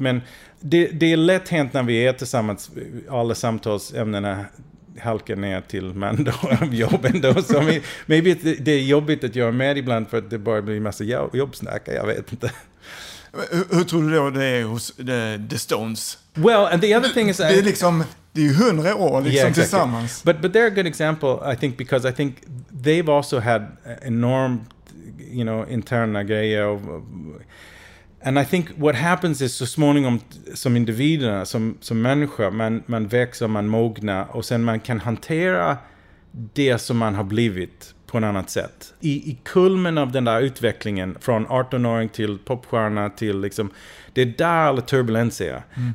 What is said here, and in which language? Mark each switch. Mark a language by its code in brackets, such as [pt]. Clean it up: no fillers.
[sv] Men det är lätt hänt när vi är tillsammans, alla samtalsämnena halkar ner till Mando av jobben då. Så maybe det är jobbigt att göra med ibland för att det bara blir en massa jobbsnack, jag vet inte. Hur tror du då det är hos The Stones? [en] Well, and the other thing is, [sv] det är liksom, det är 100 år liksom, [en] yeah, exactly. [sv] Tillsammans. [en] But they're a good example, I think, because I think they've also had enorm, you know, [sv] interna grejer. [en] And I think what happens is [sv] så småningom som individerna, som människa, man växer, man mognar och sen man kan hantera det som man har blivit på ett annat sätt. I kulmen av den där utvecklingen från 18-åring till popstjärna till liksom, det är där alla turbulens är. Mm.